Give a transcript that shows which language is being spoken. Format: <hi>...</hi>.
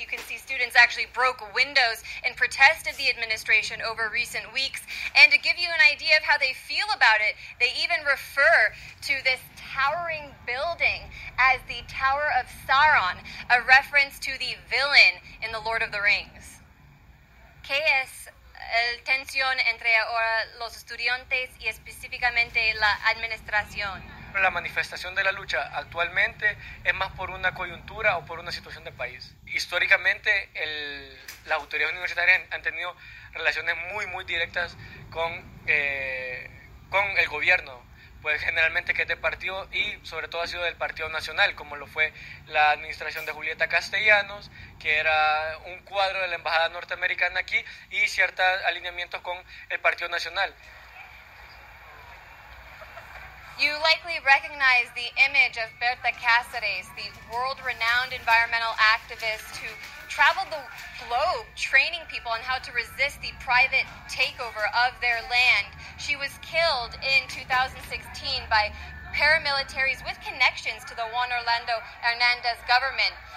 <en>You can see students actually broke windows in protest of the administration over recent weeks, and to give you an idea of how they feel about it, they even refer to this towering building as the Tower of Sauron, a reference to the villain in The Lord of the Rings.</en> <es>¿Qué es la tensión entre ahora los estudiantes y específicamente la administración? La manifestación de la lucha actualmente es más por una coyuntura o por una situación del país. Históricamente, las autoridades universitarias han tenido relaciones muy, muy directas con el gobierno. Pues generalmente que es de partido y sobre todo ha sido del Partido Nacional, como lo fue la administración de Julieta Castellanos, que era un cuadro de la embajada norteamericana aquí, y ciertos alineamientos con el Partido Nacional.</es> <en>You likely recognize the image of Berta Cáceres, the world-renowned environmental activist who traveled the globe training people on how to resist the private takeover of their land. She was killed in 2016 by paramilitaries with connections to the Juan Orlando Hernandez government.</en>